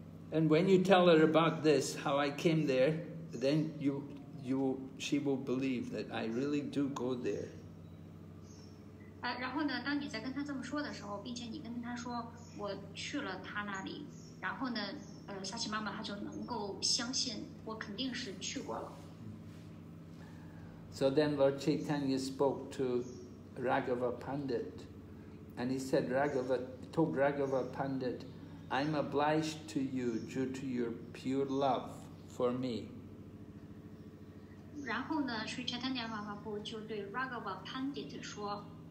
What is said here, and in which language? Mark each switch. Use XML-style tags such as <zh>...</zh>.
<en>And when you tell her about this how I came there then she will believe that I really do go there</en> <zh>然后呢？当你在跟他这么说的时候，并且你跟他说我去了他那里，然后呢，萨奇妈妈她就能够相信我肯定是去过了。</zh> <en>So then Lord Chaitanya spoke to Raghava Pandit, and he said, told Raghava Pandit, "I'm obliged to you due to your pure love for me."</en> <zh>然后呢，所以 Chaitanya 妈妈不就对 Raghava Pandit 说。</zh>